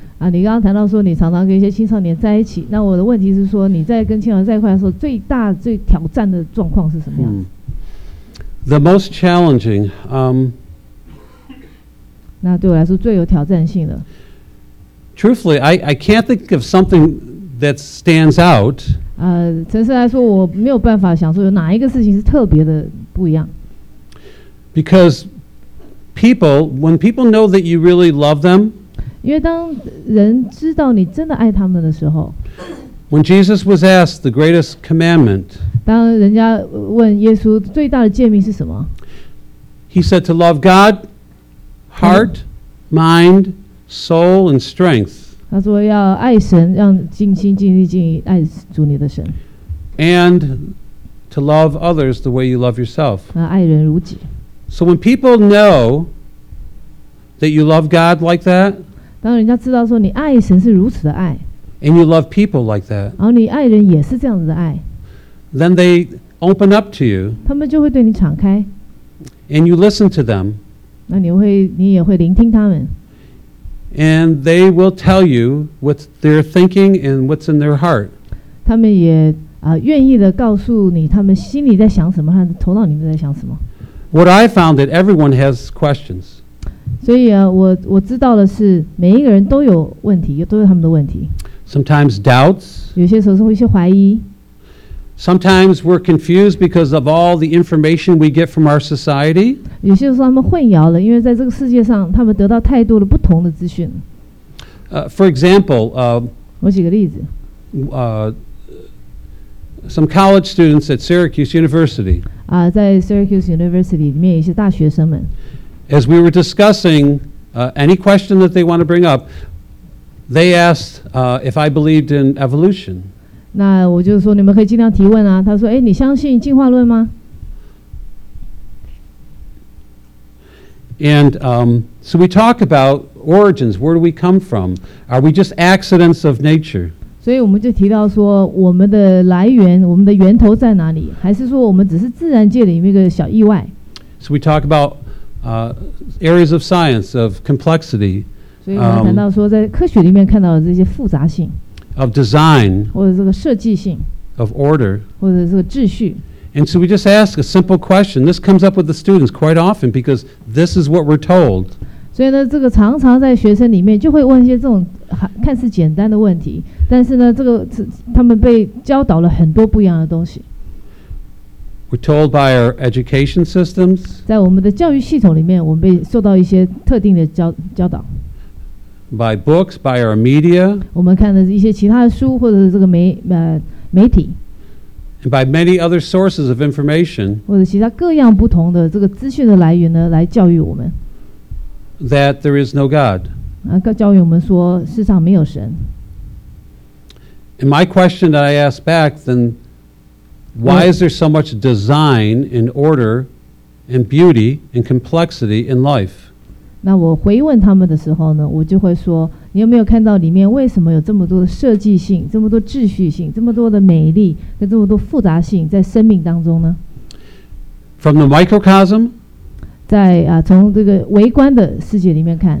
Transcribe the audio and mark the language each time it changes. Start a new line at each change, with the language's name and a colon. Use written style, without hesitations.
Chinese: 你刚刚谈到说你常常跟一些青少年在一起，那我的问题是说你在跟青少年在一块的时候，最大最挑战的状况是什么样子？
English: The most challenging，
Chinese: 那对我来说最有挑战性的。
English: Truthfully， I can't think of something that stands out。
Chinese: 诚实来说，我没有办法想说有哪一个事情是特别的不一样。
English: Because people， when people know that you really love them。
Chinese: 因为当人知道你真的爱他们的时候
English: ，When Jesus was asked the greatest commandment，
Chinese: 当人家问耶稣最大的诫命是什么
English: ，He said to love God, heart, mind, soul, and strength。
Chinese: 他说要爱神，要尽心尽力尽意爱主你的神
English: ，And to love others the way you love yourself。
Chinese: 爱人如己。
English: So when people know that you love God like that。
Chinese: 当人家知道说你爱神是如此的爱
English: ，and you love people like that，
Chinese: 然后你爱人也是这样子的爱
English: ，then they open up to you，
Chinese: 他们就会对你敞开
English: ，and you listen to them，
Chinese: 那你也会聆听他们
English: ，and they will tell you what they're thinking and what's in their heart，
Chinese: 他们也愿意的告诉你他们心里在想什么和头脑里面在想什么。
English: What I found that everyone has questions。
Chinese: 所以我知道的是每一个人都有问题，都有他们的问题。
English: Sometimes doubts.
Chinese: 有些时候会一些怀疑。
English: Sometimes we're confused because of all the information we get from our society.
Chinese: 有些时候他们混淆了，因为在这个世界上，他们得到太多的不同的资讯。
English: For example,
Chinese: 我举个例子。
English: Some college students at Syracuse University.
Chinese: 啊，在 Syracuse University 里面一些大学生们。
English: As we were discussing any question that they want to bring up, they asked if I believed in evolution.
Chinese: 那我就说你们可以尽量提问啊。他说，哎，你相信进化论吗？
English: And so we talk about origins. Where do we come from? Are we just accidents of nature?
Chinese: 所以我们就提到说，我们的来源，我们的源头在哪里？还是说我们只是自然界里面一个小意外？
English: So we talk aboutareas of science, of complexity,
Chinese: 所以我们谈到说在科学里面看到的这些复杂性
English: of design,
Chinese: 或者这个设计性
English: of order,
Chinese: 或者这个秩序
English: and so we just ask a simple question. This comes up with the students quite often because this is what we're told.
Chinese: 所以呢这个常常在学生里面就会问一些这种看似简单的问题，但是呢这个他们被教导了很多不一样的东西。
English: We're told by our education systems.
Chinese: 在我们的教育系统里面，我们被受到一些特定的教导。
English: By books, by our media.
Chinese: 我们看的一些其他的书，或者是这个媒体。
English: And by many other sources of information.
Chinese: 或者其他各样不同的这个资讯的来源呢，来教育我们。
English: That there is no God.
Chinese: 教育我们说世上没有神。
English: And my question that I asked back then. Why is there so much design and order and beauty and complexity in life?
Chinese: 那我回问他们的时候呢，我就会说，你有没有看到里面为什么有这么多的设计性，这么多秩序性，这么多的美丽，跟这么多复杂性在生命当中呢？
English: From the microcosm,
Chinese: 在从这个微观的世界里面看，